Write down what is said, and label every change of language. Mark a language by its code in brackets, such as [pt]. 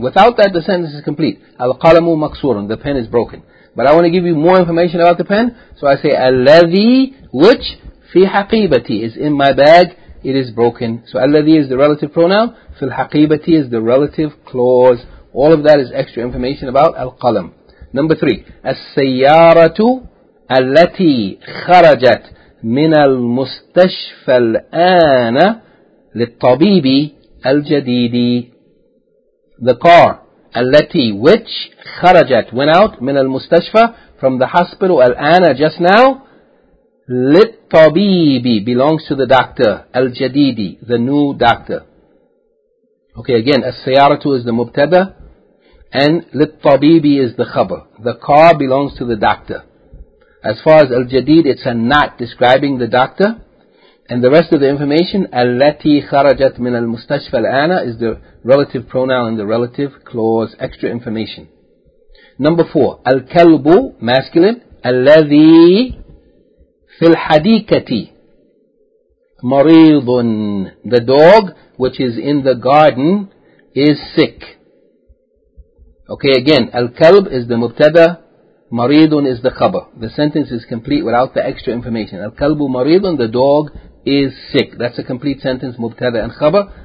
[en] Without that, the sentence is complete. [ar] Al-qalamu maksurun, [en] the pen is broken. But I want to give you more information about the pen, so I say alladhi, which fi haqibati, is in my bag, it is broken. So alladhi is the relative pronoun, fi haqibati is the relative clause. All of that is extra information about al-qalam. Number 3, [ar] as-sayyaratu التي خرجت من المستشفى الآن للطبيب الجديد. [en] The car التي which خرجت went out من المستشفى from the hospital الآن just now للطبيب belongs to the doctor الجديد the new doctor. Okay, again السيارة is the مبتدا and للطبيب is the خبر. The car belongs to the doctor. As far as al-jadid, it's a not describing the doctor. And the rest of the information, [ar] التي خرجت من المستشفى الآن, [en] is the relative pronoun in the relative clause, extra information. Number 4, [ar] الكلب, masculine, الذي في الحديقة مريض. [en] The dog, which is in the garden, is sick. Okay, again, الكلب is the مبتدا. Maridun is the khabar. The sentence is complete without the extra information. [ar] Al-kalbu maridun, [en] the dog is sick. That's a complete sentence, mubtada and khabar.